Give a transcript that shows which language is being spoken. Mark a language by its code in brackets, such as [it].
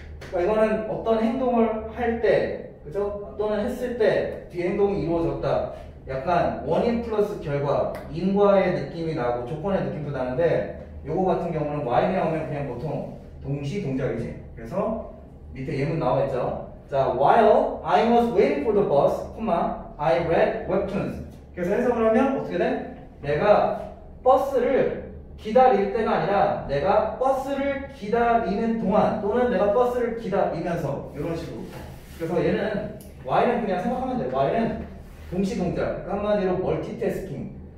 [ko] 그러니까 이거는 어떤 행동을 할 때, 그죠? 또는 했을 때 뒤 행동이 이루어졌다. 약간 원인 플러스 결과, 인과의 느낌이 나고 조건의 느낌도 나는데 요거 같은 경우는 while 나오면 그냥 보통 동시 동작이지. 그래서 밑에 예문 나와있죠. [en] 자, while I was waiting for the bus, I read webtoons. [ko] 그래서 해석을 하면 어떻게 돼? 내가 버스를 기다릴 때가 아니라 내가 버스를 기다리는 동안 또는 내가 버스를 기다리면서 이런 식으로. 그래서 얘는 while는 그냥 생각하면 돼. while는 동시 동작, 한마디로 멀티태스킹.